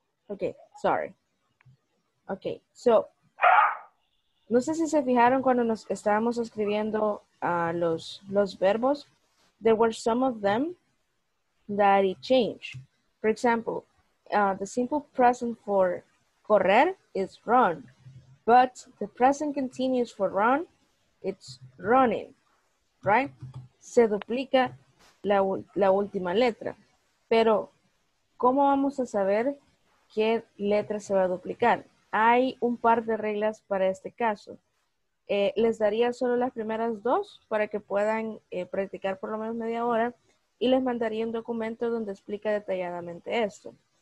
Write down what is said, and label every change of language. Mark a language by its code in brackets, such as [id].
[en] Okay, sorry. [es] Okay, so, no sé si se fijaron cuando nos estábamos escribiendo los verbos. [en] There were some of them that it changed. For example, the simple present for correr is run, but the present continuous for run, it's running, right? [es] Se duplica la última letra. Pero, ¿cómo vamos a saber qué letra se va a duplicar? Hay un par de reglas para este caso. Les daría solo las primeras dos para que puedan practicar por lo menos media hora y les mandaría un documento donde explica detalladamente esto.